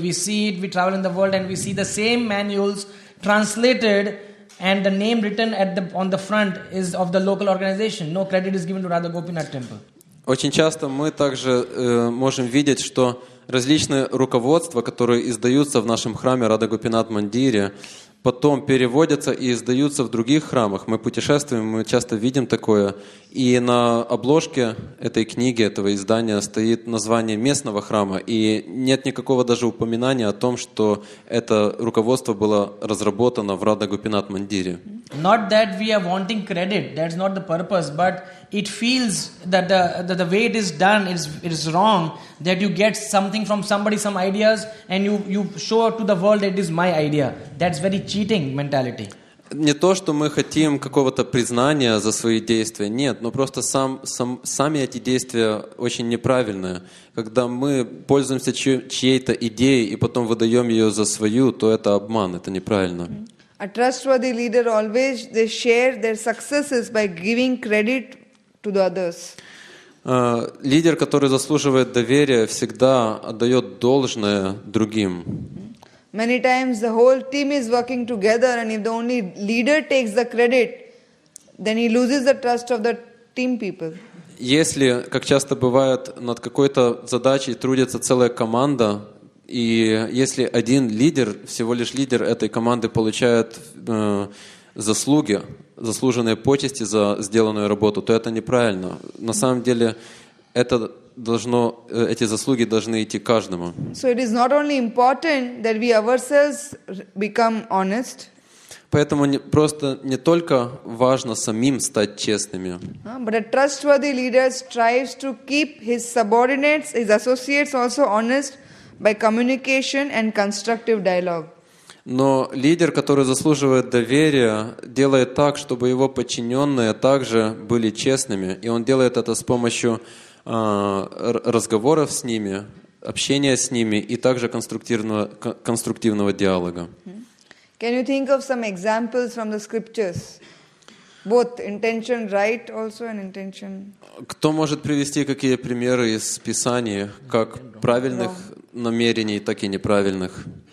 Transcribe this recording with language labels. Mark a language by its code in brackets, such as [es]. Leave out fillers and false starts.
[en] We see it, we travel in the world and we see the same manuals translated and the name written on the front is of the local organization. No credit is given to Radha Gopinath Temple. [ru] Очень часто мы также можем видеть, что различные руководства, которые издаются в нашем храме Радха Гопинат Мандире, потом переводятся и издаются в других храмах. Мы путешествуем, мы часто видим такое. И на обложке этой книги, этого издания, стоит название местного храма. И нет никакого даже упоминания о том, что это руководство было разработано в Радха Гопинат Мандире. [en] Not that we are wanting credit, that's not the purpose, but it feels that the way it is done is wrong, that you get something from somebody, some ideas, and you show to the world that it is my idea. That's very cheating mentality. [ru] Не то, что мы хотим какого-то признания за свои действия, нет, но просто сами эти действия очень неправильные. Когда мы пользуемся чьей-то идеей и потом выдаем ее за свою, то это обман, это неправильно. [en] A trustworthy leader always they share their successes by giving credit to the others. [ru] Лидер, который заслуживает доверия, всегда отдает должное другим. [en] Many times the whole team is working together, and if the only leader takes the credit, then he loses the trust of the team people. [ru] Если, как часто бывает, над какой-то задачей трудится целая команда. И если один лидер, всего лишь лидер этой команды, получает заслуги, заслуженные почести за сделанную работу, то это неправильно. На самом деле, эти заслуги должны идти каждому. [en] So it is not only important that we ourselves become honest. [ru] Поэтому просто не только важно самим стать честными. [en] But a trustworthy leader strives to keep his subordinates, his associates also honest. By communication and constructive dialogue. [ru] Но лидер, который заслуживает доверия, делает так, чтобы его подчиненные также были честными, и он делает это с помощью разговоров с ними, общения с ними и также конструктивного диалога. [en] Can you think of some examples from the scriptures? Both intention right also and intention. [ru] Кто может привести какие примеры из Писания, как правильных намерений, так и неправильных?